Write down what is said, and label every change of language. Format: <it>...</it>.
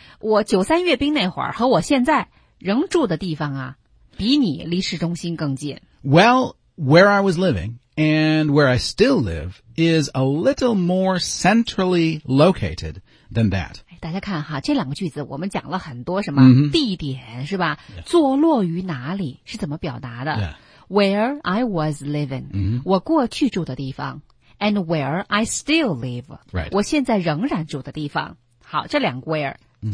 <zh>我九三阅兵那会儿和我现在仍住的地方啊，比你离市中心更近。</zh> <en>Well, where I was living and where I still live is a little more centrally located than that.</en> <zh>大家看哈，这两个句子我们讲了很多什么、 mm-hmm. 地点是吧？坐落于哪里是怎么表达的、</zh> <en>yeah. ？Where I was living,、 mm-hmm.</en> <zh>我过去住的地方。</zh> <en>And where I still live,、 right.</en> <zh>我现在仍然住的地方。好，这两个 where,、mm.</zh>